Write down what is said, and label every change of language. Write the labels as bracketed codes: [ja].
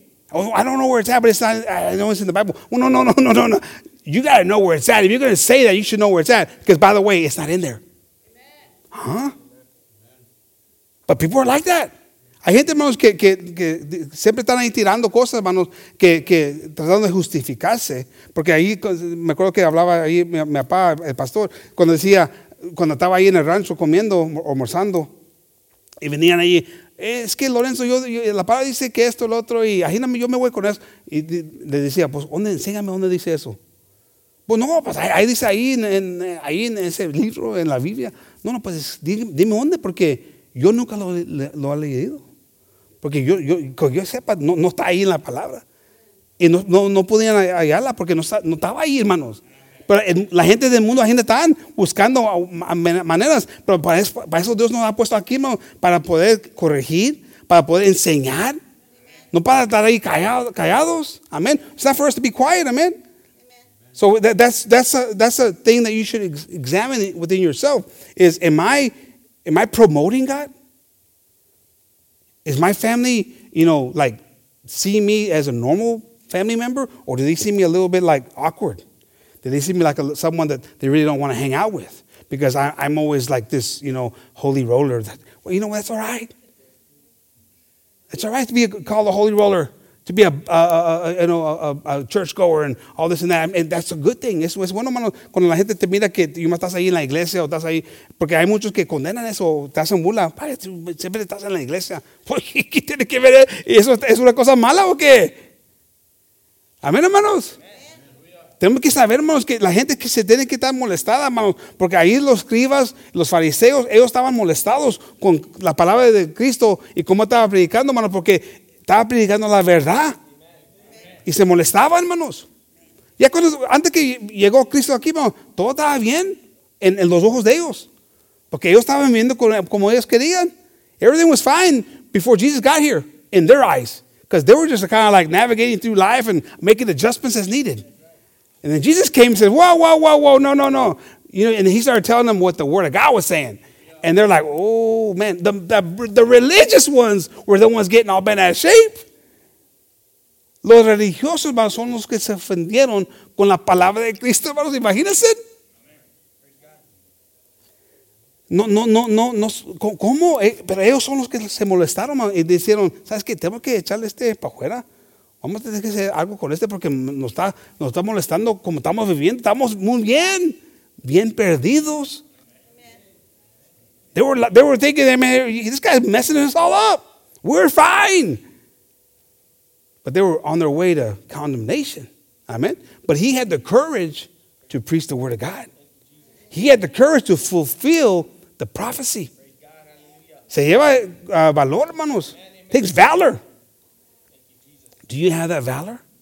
[en] Oh, I don't know where it's at, but it's not, I know it's in the Bible. Well, no. You got to know where it's at. If you're going to say that, you should know where it's at, because by the way, it's not in there. Amen. Huh? Amen. But people are like that. [es] Hay gente, hermanos, que siempre están ahí tirando cosas, hermanos, que tratando de justificarse. Porque ahí, me acuerdo que hablaba ahí mi papá, el pastor, cuando decía, cuando estaba ahí en el rancho comiendo, almorzando, y venían ahí, es que Lorenzo, yo la palabra dice que esto, lo otro, y imagíname, yo me voy con eso. Y le decía, pues, ¿dónde, enséñame dónde dice eso? Pues, no, pues, ahí dice ahí, en ese libro, en la Biblia. No, pues, dime dónde, porque yo nunca lo he leído. Porque yo sepa, no está ahí en la palabra. Y no podían hallarla porque no estaba ahí, hermanos. Pero la gente del mundo, la gente está buscando maneras. Pero para eso Dios nos ha puesto aquí, hermanos, para poder corregir, para poder enseñar. No para estar ahí callados. Amén. [en] It's not for us to be quiet, [es] amén. [en] So that's a thing that you should examine within yourself. Is am I promoting God? Is my family, you know, like seeing me as a normal family member? Or do they see me a little bit like awkward? Do they see me like someone that they really don't want to hang out with? Because I'm always like this, you know, holy roller. That, well, you know, that's all right. It's all right to be called a holy roller, to be a churchgoer and all this and that. And that's a good thing. [es] Eso es bueno, mano, cuando la gente te mira que tú estás ahí en la iglesia o estás ahí. Porque hay muchos que condenan eso, te hacen burla. Padre, siempre estás en la iglesia. ¿Qué tiene que ver? ¿Eso es una cosa mala o qué? Amén, hermanos. Tenemos que saber, hermanos, que la gente que se tiene que estar molestada, hermanos, porque ahí los escribas, los fariseos, ellos estaban molestados con la palabra de Cristo y cómo estaba predicando, hermanos, porque estaba predicando la verdad. Y se molestaban, hermanos. Ya cuando, antes que llegó Cristo aquí, hermanos, todo estaba bien en los ojos de ellos, porque ellos estaban viviendo como ellos querían. [en] Everything was fine before Jesus got here, in their eyes, because they were just kind of like navigating through life and making adjustments as needed. And then Jesus came and said, whoa, whoa, whoa, whoa, no, no, no. You know, and he started telling them what the word of God was saying. And they're like, oh, man, the religious ones were the ones getting all bent out of shape. [es] Los religiosos, hermanos, son los que se ofendieron con la palabra de Cristo, hermanos. Imagínense. No, ¿cómo? Pero ellos son los que se molestaron, hermanos, y dijeron, ¿sabes qué? Tengo que echarle este para afuera. Vamos a tener que hacer algo con este porque nos está molestando como estamos viviendo. Estamos muy bien, bien perdidos. [en] They were thinking, this guy's messing us all up. We're fine. But they were on their way to condemnation. Amen. But he had the courage to preach the word of God. He had the courage to fulfill the prophecy. [es] Se lleva valor, hermanos. [en] Takes valor. Do you have that valor?